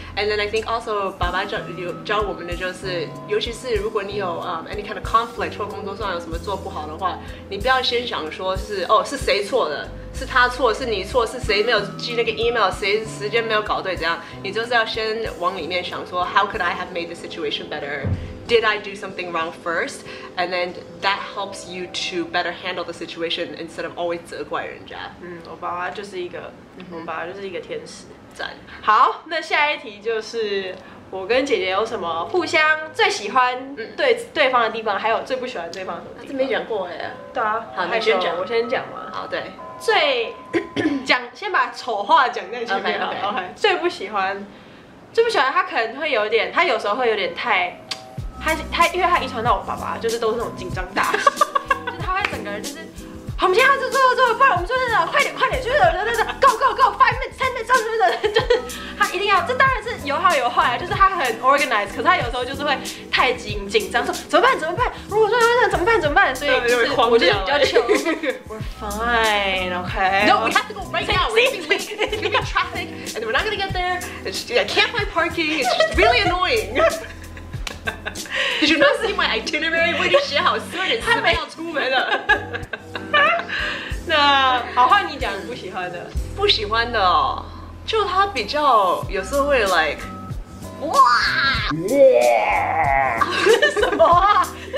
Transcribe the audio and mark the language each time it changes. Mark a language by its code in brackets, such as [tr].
[en] And then I think also [zh] 爸爸教我们的就是，尤其是如果你有 [en] any kind of conflict [zh] 或工作上有什么做不好的话，你不要先想说是哦是谁错的，是他错，是你错，是谁没有寄那个 email， 谁时间没有搞对怎样，你就是要先往里面想说 [en] how could I have made the situation better？ Did I do something wrong first? And then that helps you to better handle the situation instead of always [zh] 责怪人家。我爸爸就是一个，我爸爸就是一个天使。赞。好，那下一题就是我跟姐姐有什么互相最喜欢对对方的地方，还有最不喜欢对方的什么地方？这没讲过哎。对啊。好，你先讲。我先讲嘛。好，对。最讲先把丑话讲在前面。 OK OK。最不喜欢，最不喜欢他可能会有点，他有时候会有点太。他因为他遗传到我爸爸，就是都是那种紧张大师，就他会整个人就是，我们现在就做做做，不然我们就是那种快点快点，就是等等等 ， [en] go go go， five minutes， ten minutes， [zh] 上去等，就是他一定要，这当然是有好有坏啊，就是他很 organized， 可是他有时候就是会太紧张，说怎么办怎么办，如果说怎么办怎么办，所以就是我就比较 chill， [en] we're fine， OK， no， we have to go right now， we're gonna be traffic， and we're not gonna get there， it's, I can't find parking， it's just really annoying 。 Did you not see my itinerary? [zh] 我已经写好十二点四分要出门了。那好，换你讲不喜欢的。不喜欢的哦，就他比较有时候会 like， 哇，哇，什么啊？